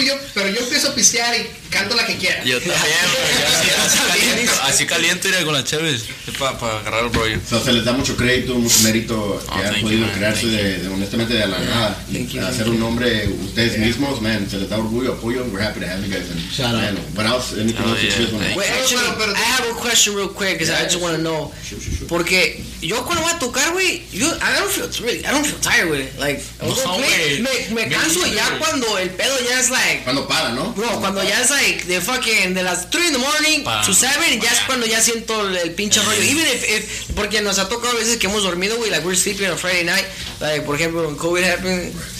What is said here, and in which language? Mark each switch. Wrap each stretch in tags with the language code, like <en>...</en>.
<es>yo, pero yo empiezo a pistear y canto la que quiera. Yo también, así caliente iré con las chéves para agarrar el rollo. O sea, se les da mucho crédito, mucho mérito que han podido crearse de honestamente de la nada. Hacer un nombre ustedes mismos, man, se les da orgullo, apoyo.</es> <en>We're happy to have you guys. I have a question real quick, because I just want to know.</en> <es>Porque yo cuando voy a tocar, güey,</es> <en>I don't feel tired,</en> <es>güey. Like, me canso ya cuando el pedo ya es like... Cuando para, ¿no? Bro, cuando ya es like the fucking... De las 3</es> <en>in the morning to</en> <es>7, ya es cuando ya siento el pinche rollo. Even if... Porque nos ha tocado a veces que hemos dormido, güey.</es> <en>Like, we're sleeping on Friday night. Like,</en> <es>por ejemplo,</es> <en>when COVID happened...</en>